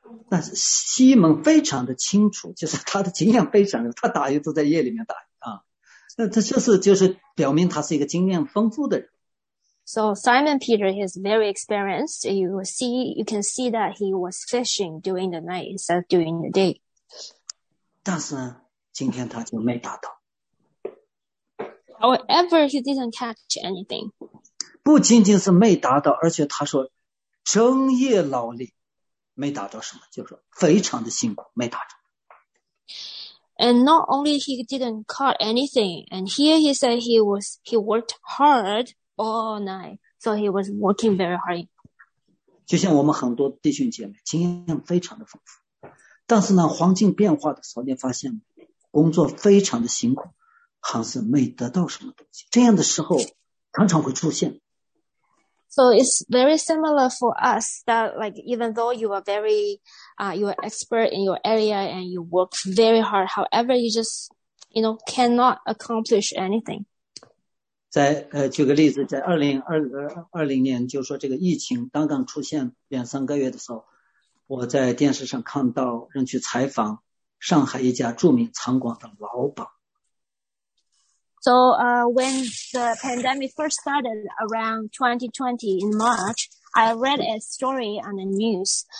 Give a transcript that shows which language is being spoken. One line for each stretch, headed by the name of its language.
Chinese: 但是西蒙非常的清楚，就是他的经验非常的，他打鱼都在夜里面打鱼啊。那这就是表明他是一个经验丰富的人。
English: So Simon Peter is very experienced. You can see that he was fishing during the night instead of during the day.
Chinese: 但是今天他就没打到。
English: However, he didn't catch anything.
Chinese: 不仅仅是没打到，而且他说整夜劳力，没打到什么，就是非常的辛苦，没打着。
English: And not only he didn't catch anything, and here he said he worked hard. All night, so he was working very hard.
Chinese: 就像我们很多弟兄姐妹经验非常的丰富，但是呢，环境变化的时候，你发现工作非常的辛苦，好像是没得到什么东西。这样的时候常常会出现。
English: So it's very similar for us that, like, even though you are very, you are expert in your area and you work very hard, however, you just, you know, cannot accomplish anything.
Chinese: 在举个例子，在2020年，就是说这个疫情刚刚出现两三个月的时候，我在电视上看到人去采访上海一家著名餐馆的老板。
English: So when the pandemic first started around 2020 in March, I read a story on the news.